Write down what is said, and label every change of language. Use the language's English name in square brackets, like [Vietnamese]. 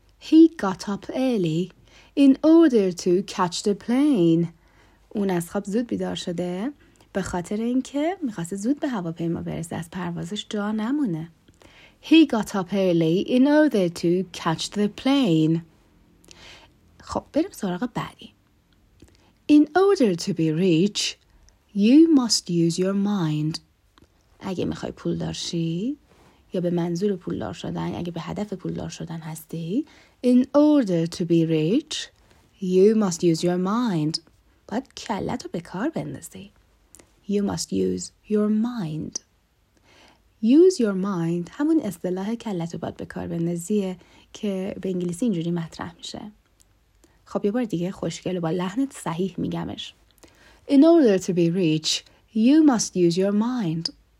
[English] He got up early in order to catch the plane. [Persian] اون از خواب زود بیدار شده. به خاطر اینکه می‌خواست زود به هواپیما برسه از پروازش جا نمونه. [English] He got up early in order to catch the plane. [Persian] خب بریم سراغ بعدی. [English] In order to be rich, you must use your mind. [Persian] اگه می‌خوای پولدار شی یا به منظور پولدار شدن، اگه به هدف پولدار شدن هستی، [English] in order to be rich, you must use your mind. [Persian] باید کلت رو به کار بندازی. [English] You must use your mind. Use your mind [Persian] همون اصطلاح کلت رو باید به کار بندازیه که به انگلیسی اینجوری مطرح میشه. خب یه بار دیگه خوشگل و با لحنت صحیح میگمش. [English] In order to be rich, you must use your mind.